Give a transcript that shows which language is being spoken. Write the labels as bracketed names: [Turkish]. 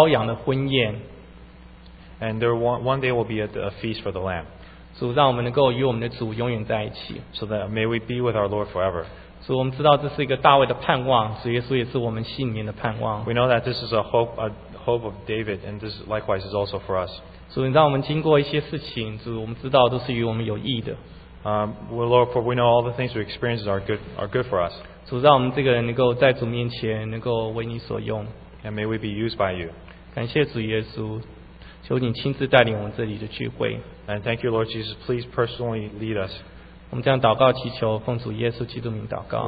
[Chinese] 主真的有一天，有一个羔羊的婚宴。 [English] And there one day will be a feast for the Lamb. [Chinese] 主让我们能够与我们的主永远在一起。 [English] So that may we be with our Lord forever. [Chinese] 主，我们知道这是一个大卫的盼望，主耶稣也是我们心里面的盼望。 [English] We know that this is a hope of David, and this likewise is also for us. [Chinese] 主，你让我们经过一些事情，主，我们知道都是与我们有益的。 [English] Lord, for we know all the things we experience are good for us. [Chinese] 主，让我们这个人能够在主面前能够为你所用。 [English] And may we be used by you. [Chinese] 感谢主耶稣，求你亲自带领我们这里的聚会。 [English] And thank you, Lord Jesus. Please personally lead us. [Chinese] 我们这样祷告祈求，奉主耶稣基督名祷告。